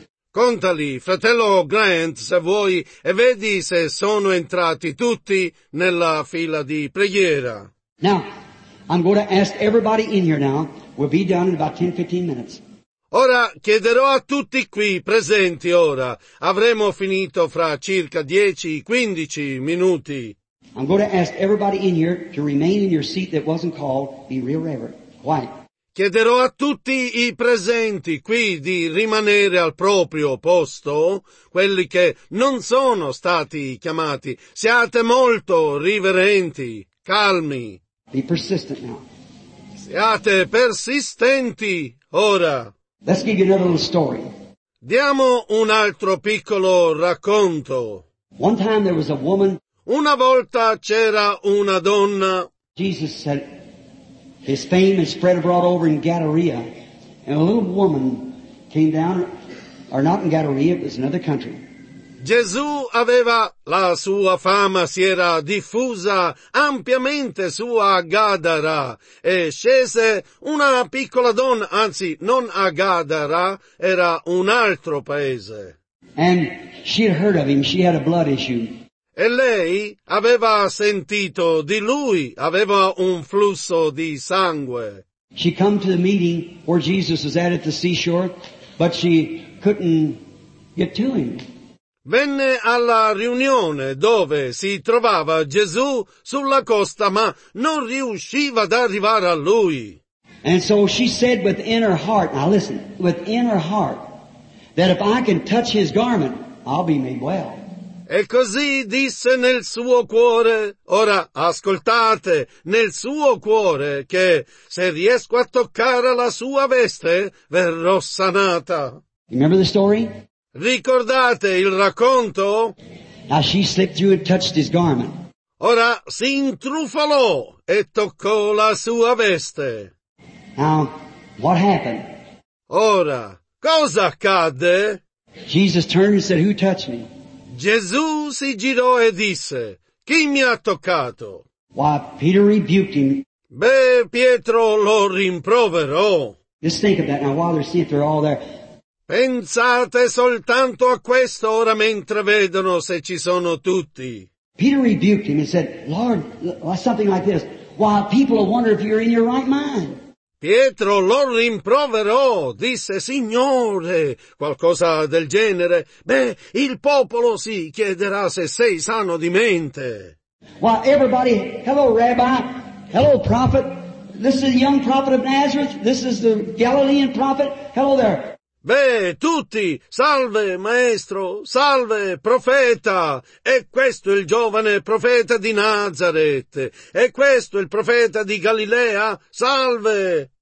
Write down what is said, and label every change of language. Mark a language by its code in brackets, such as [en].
[it] Contali, fratello Grant, se vuoi, e vedi se sono entrati tutti nella fila di preghiera. [en] Now, I'm going to ask everybody in here now, we'll be done in about 10-15 minutes. [it] Ora chiederò a tutti qui presenti ora. Avremo finito fra circa 10-15 minuti. [en] I'm going to ask everybody in here to remain in your seat that wasn't called, be real reverent. Quiet. [it] Chiederò a tutti i presenti qui di rimanere al proprio posto, quelli che non sono stati chiamati. Siate molto riverenti, calmi. [en] Be persistent now. [it] Siate persistenti ora. [en] Let's give you another little story. [it] Diamo un altro piccolo racconto. [en] One time there was a woman. [it] Una volta c'era una donna. [en] Jesus said, his fame had spread abroad over in Gadara, and a little woman came down, or not in Gadara, it was another country. [it] Gesù aveva la sua fama, si era diffusa ampiamente su a Gadara, e scese una piccola donna, anzi non a Gadara, era un altro paese. [en] And she had heard of him, she had a blood issue. [it] E lei aveva sentito di lui, aveva un flusso di sangue. [en] She come to the meeting where Jesus was at the seashore, but she couldn't get to him. [it] Venne alla riunione dove si trovava Gesù sulla costa, ma non riusciva ad arrivare a lui. [en] And so she said within her heart, now listen, within her heart, that if I can touch his garment, I'll be made well. [it] E così disse nel suo cuore, ora ascoltate, nel suo cuore, che se riesco a toccare la sua veste, verrò sanata. [en] Remember the story? [it] Ricordate il racconto? [en] Now she slipped through and touched his garment. [it] Ora si intrufolò e toccò la sua veste. [en] Now, what happened? [it] Ora, cosa accadde? [en] Jesus turned and said, "Who touched me?" [it] Gesù si girò e disse, "Chi mi ha toccato?" [en] Why, Peter rebuked him. [it] Beh, Pietro lo rimproverò. [en] Just think of that now while they're sitting there all there. [it] Pensate soltanto a questo ora mentre vedono se ci sono tutti. [en] Peter rebuked him and said, "Lord, something like this. Why, people will wonder if you're in your right mind." [it] Pietro lo rimproverò, disse, "Signore, qualcosa del genere. Beh, il popolo si chiederà se sei sano di mente." [en] Why, everybody, hello Rabbi, hello Prophet. This is the young Prophet of Nazareth. This is the Galilean Prophet. Hello there. [it] Beh, tutti, salve maestro, salve profeta, e questo il giovane profeta di Nazareth, e questo il profeta di Galilea, salve!